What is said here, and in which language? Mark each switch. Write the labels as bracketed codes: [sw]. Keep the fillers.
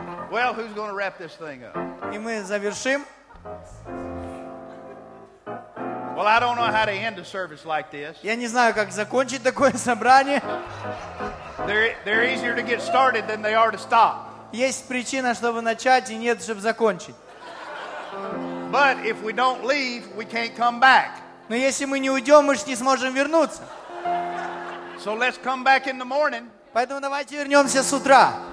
[en] Well, who's going to wrap this thing up? [ru] И мы завершим. [en] Well, I don't know how to end a service like this. [ru] Я не знаю, как закончить такое собрание. [en] They're, they're easier to get started than they are to stop. [ru] Есть причина, чтобы начать, и нет, чтобы закончить. Но если мы не уйдем, мы же не сможем вернуться. [en] So let's come back in the morning. [ru] Поэтому давайте вернемся с утра.